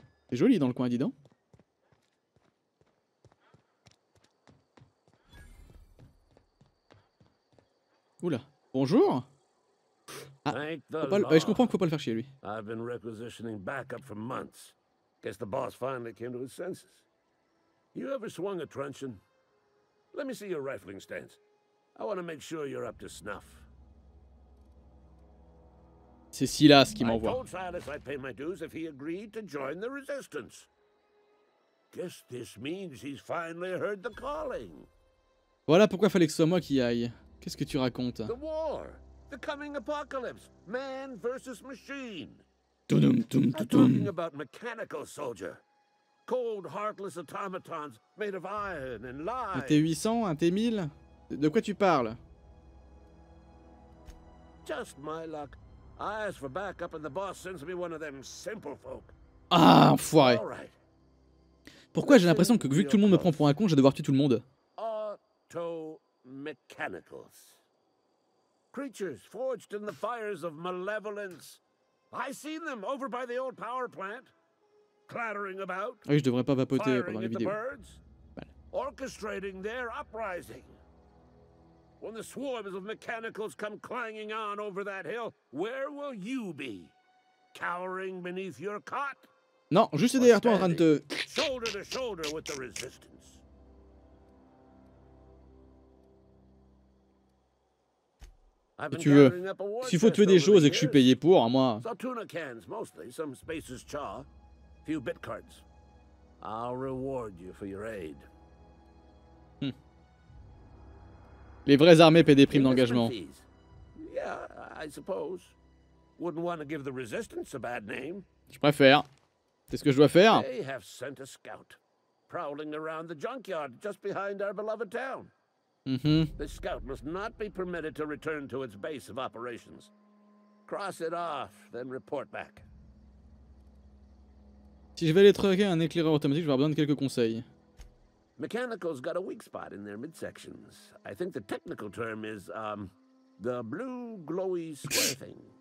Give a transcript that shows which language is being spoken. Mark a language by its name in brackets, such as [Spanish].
[French] C'est joli dans le coin, dis donc. Oula. Bonjour. Je comprends qu'il faut pas le faire chier, lui. [English] I've been requisitioning backup for months. Guess the boss finally came to his senses. You ever swung a truncheon? Let me see your rifling stance. I want to make sure you're up to snuff. [French] C'est Silas qui m'envoie. [English] I told Silas I'd pay my dues if he agreed to join the resistance. Guess this means he's finally heard the calling. [French] Voilà pourquoi fallait que ce soit moi qui aille. Qu'est-ce que tu racontes? [English] The war, the coming apocalypse, man versus machine. Tudum tudum tudum. I'm talking about mechanical soldier, cold, heartless automatons made of iron and lies. [French] Un T-800, un T-1000, de quoi tu parles? [English] Just my luck. I asked for backup and the boss sends me one of them simple folk. [French] Ah, enfoiré. Right. Pourquoi j'ai l'impression que vu que tout le monde me prend pour un con, je vais devoir tuer tout le monde? [English] Auto. Mechanicals. Creatures forged in the fires of malevolence. I seen them over by the old power plant, clattering about. [French] Oui, je devrais pas vapoter pendant les vidéos. [English] Birds, orchestrating their uprising. When the swarms of mechanicals come clanging on over that hill, where will you be? Cowering beneath your cot? [French] Non, juste derrière toi en train de te... [English] Shoulder to shoulder with the resistance. [French] Si tu veux, s'il faut tuer des choses et que je suis payé pour, moi. [English] Sautuna cans, mostly, some spaces chaw, few bit cards. I'll reward you for your aid. [French] Les vraies armées paient des primes d'engagement. [English] Yeah, I suppose. Wouldn't want to give the resistance a bad name. [French] Je préfère. C'est ce que je dois faire. [English] They have sent a scout, prowling around the junkyard just behind our beloved town. This scout must not be permitted to return to its base of operations. Cross it off, then report back. [French] Si je vais aller traquer un éclaireur automatique, j'aurai besoin de quelques conseils. [English] Mechanicals got a weak spot in their midsections. I think the technical term is the blue glowy square thing.